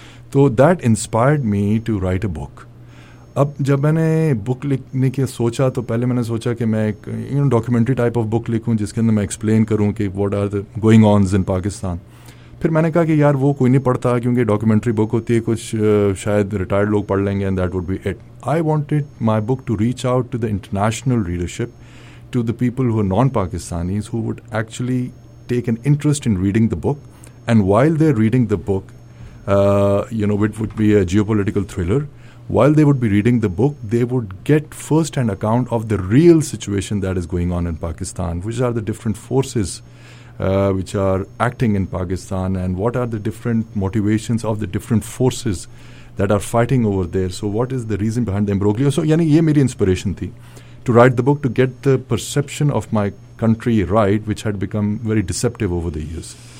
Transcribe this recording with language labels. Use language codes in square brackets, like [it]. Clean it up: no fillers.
[en] تو that inspired me to write a book. [ur] اب جب میں نے بک لکھنے کی سوچا تو پہلے میں نے سوچا کہ میں ایک ڈاکیومنٹری ٹائپ آف بک لکھوں جس کے اندر میں ایکسپلین کروں کہ [en] What are the going ons in Pakistan. [ur] پھر میں نے کہا کہ یار وہ کوئی نہیں پڑھتا کیونکہ ڈاکیومنٹری بک ہوتی ہے, کچھ شاید ریٹائرڈ لوگ پڑھ لیں گے [en] And that would be it. I wanted my book to reach out to the international readership, to the people who are non Pakistanis who would actually take an interest in reading the book, and while they are reading the book you know it would be a geopolitical thriller, while they would be reading the book they would get first hand account of the real situation that is going on in Pakistan, which are the different forces which are acting in Pakistan and what are the different motivations of the different forces that are fighting over there. So what is the reason behind the imbroglio? So [ur] yani ye meri inspiration thi [en] to write the book to get the perception of my country right, which had become very deceptive over the years.